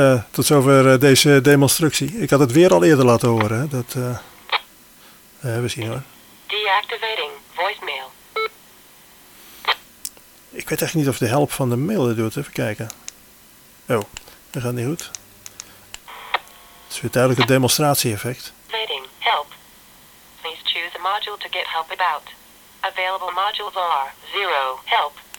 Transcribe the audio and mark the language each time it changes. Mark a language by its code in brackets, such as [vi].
[nl] Tot zover deze demonstratie. Ik had het weer al eerder laten horen. Hè. Dat we zien hoor. [en] Deactivating voicemail. [nl] Ik weet echt niet of de help van de mail doet. Even kijken. Oh, dat gaat niet goed. Het is weer duidelijk het demonstratie-effect. [en] Waiting, help. Please choose a module to get help about. Available modules are 0, help.